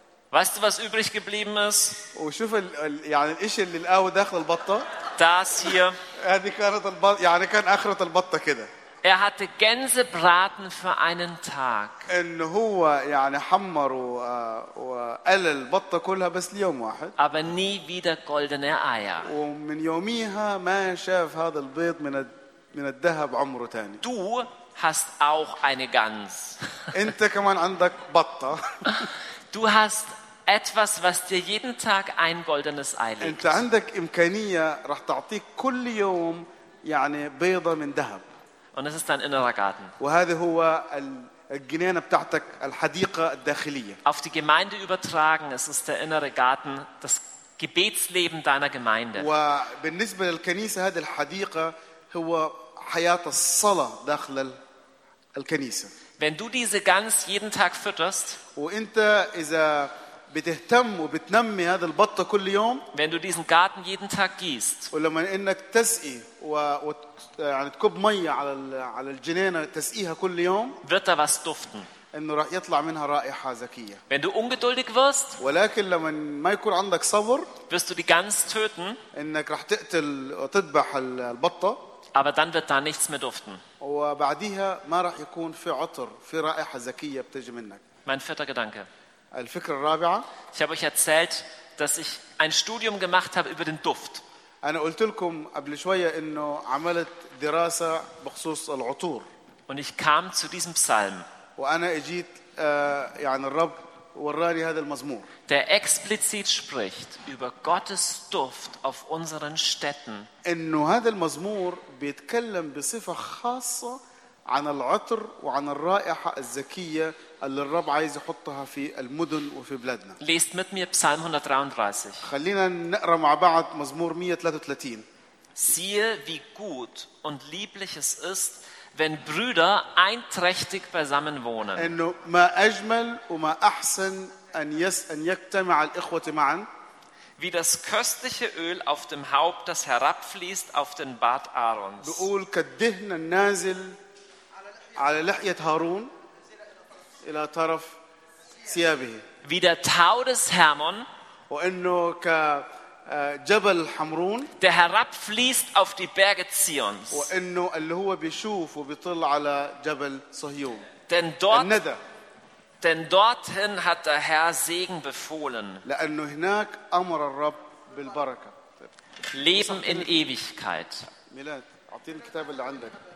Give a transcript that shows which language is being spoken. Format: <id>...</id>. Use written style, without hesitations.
<de>Weißt du, was übrig geblieben ist?</de> <ar>وشوف يعني الإشة اللي لقاه داخل البطة.</ar> <de>Das hier.</de> <ar>هذه كانت البط يعني كان آخرة البطة كده.</ar> <de>Er hatte Gänsebraten für einen Tag.</de> <ar>إن هو يعني حمر وقل البطة كلها بس ليوم واحد.</ar> <de>Aber nie wieder goldene Eier.</de> <ar>ومن يوميها ما شاف هذا البيض من الذهب عمره تاني.</ar> <de>Du hast auch eine Gans.</de> <ar>أنت كمان عندك بطة.</ar> <de>Du hast etwas, was dir jeden Tag ein goldenes Ei legt.</de> <ar>أنت عندك إمكانية راح تعطيك كل يوم يعني بيضة من ذهب.</ar> <de>Und es ist dein innerer Garten.</de> <ar>وهذا هو الجنينة بتاعتك الحديقة الداخلية.</ar> <de>Auf die Gemeinde übertragen, es ist der innere Garten, das Gebetsleben deiner Gemeinde.</de> <ar>وبالنسبة للكنيسة هذه الحديقة هو حياة الصلاة داخل الكنيسة.</ar> <de>Wenn du diese Gans jeden Tag fütterst,</de> <ar>وانت اذا بتهتم وبتنمي هذا البطه كل يوم,</ar> <de>wenn du diesen Garten jeden Tag gießt,</de> <ar>ولما انك تسقي يعني تكب ميه على الجنينه تسقيها كل يوم,</ar> <de>wird da was duften,</de> <ar>انه راح يطلع منها رائحه زكيه.</ar> <de>Wenn du ungeduldig wirst,</de> <ar>ولكن لما ما يكون عندك صبر,</ar> <de>wirst du die Gans töten,</de> <ar>انك راح تقتل وتذبح البطه,</ar> <de>aber dann wird da nichts mehr duften.</de> <ar>وبعديها ما راح يكون في عطر في رائحه زكيه بتجي منك.</ar> <de>Mein vierter Gedanke.</de> <ar>الفكرة الرابعة.</ar> <de>Ich habe euch erzählt, dass ich ein Studium gemacht habe über den Duft.</de> <ar>أنا قلت لكم قبل شوية إنه عملت دراسة بخصوص العطور.</ar> <de>Und ich kam zu diesem Psalm.</de> <ar>وأنا اجيت يعني الرب وراني هذا المزمور.</ar> <de>Der explizit spricht über Gottes Duft auf unseren Städten.</de> <ar>إنه هذا المزمور بيتكلم بصفة خاصة عن العطر وعن الرائحة الزكية اللي الرب عايز يحطها في المدن وفي بلادنا.</ar> <de>Lest mit mir Psalm 133.</de> <ar>خلينا نقرأ مع بعض مزمور 133.</ar> <de>Siehe, wie gut und lieblich es ist, wenn Brüder einträchtig beisammen wohnen.</de> <ar>إنه ما أجمل وما أحسن أن يجتمع الإخوة معا.</ar> <de>Wie das köstliche Öl auf dem Haupt, das herabfließt auf den Bart Aarons.</de> <ar>بقول كالدهن النازل على لحية هارون إلى طرف ثيابه.</ar> <de>Wie der Tau des Hermon,</de> <ar>وإنه كجبل حمرون,</ar> <de>der herabfließt auf die Berge Zions,</de> <ar>وإنه اللي هو بيشوف وبيطل على جبل صهيون.</ar> <de>Denn dorthin hat der Herr Segen befohlen.</de> <ar>لأنه هناك أمر الرب بالبركة.</ar> <de>Leben in Ewigkeit.</de> <ar>ميلاد أعطيني الكتاب اللي عندك.</ar>